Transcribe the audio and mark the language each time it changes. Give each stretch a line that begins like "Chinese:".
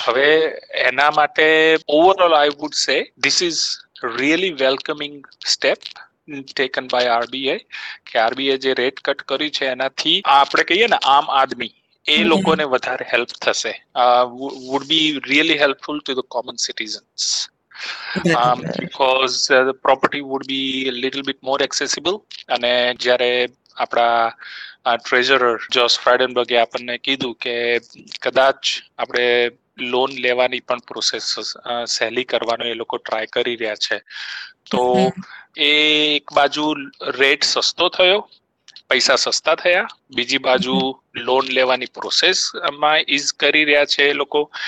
Gujarati: હવે એના માટે
English: overall I would say this is really welcoming step taken by RBI,
Gujarati: કે આરબીઆઈ જે રેટ કટ કર્યું છે એનાથી આપણે કહીએ ને આમ આદમી એ લોકોને વધારે હેલ્પ થશે.
English: Would be really helpful to the common citizens. Because the property would be a little bit more accessible.
Gujarati: અને જ્યારે આપણા ટ્રેઝરર જોસ ફ્રાઇડનબર્ગે આપણને કીધું કે કદાચ આપણે લોન લેવાની પણ પ્રોસેસ સહેલી કરવાનો એ લોકો ટ્રાય કરી રહ્યા છે, તો એ એક બાજુ રેટ સસ્તો થયો, પૈસા સસ્તા થયા, બીજી બાજુ લોન લેવાની પ્રોસેસમાં ઇઝ કરી રહ્યા છે એ લોકો.